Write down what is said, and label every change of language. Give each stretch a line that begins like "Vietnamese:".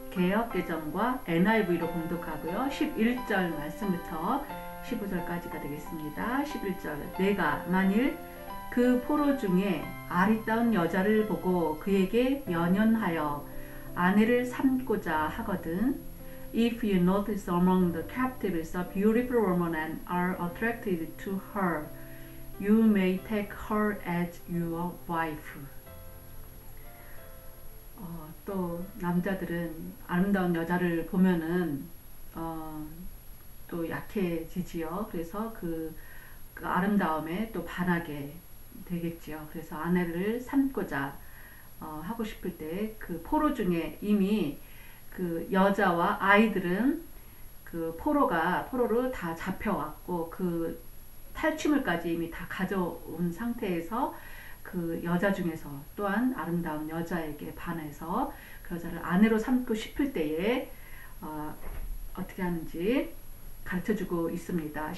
Korean: 개역개정과 NIV로 봉독하고요. 11절 말씀부터 15절까지가 되겠습니다. 11절 내가 만일 그 포로 중에 아리따운 여자를 보고 그에게 연연하여 아내를 삼고자 하거든.
English: If you notice among the captives a beautiful woman and are attracted to her, you may take her as your wife.
Korean: 또 남자들은 아름다운 여자를 보면은 또 약해지지요. 그래서 그 아름다움에 또 반하게 되겠지요. 그래서 아내를 삼고자 하고 싶을 때 그 포로 중에 이미 그 여자와 아이들은 그 포로를 다 잡혀왔고 그 탈취물까지 이미 다 가져온 상태에서 그 여자 중에서 또한 아름다운 여자에게 반해서 그 여자를 아내로 삼고 싶을 때에 어떻게 하는지 가르쳐주고 있습니다.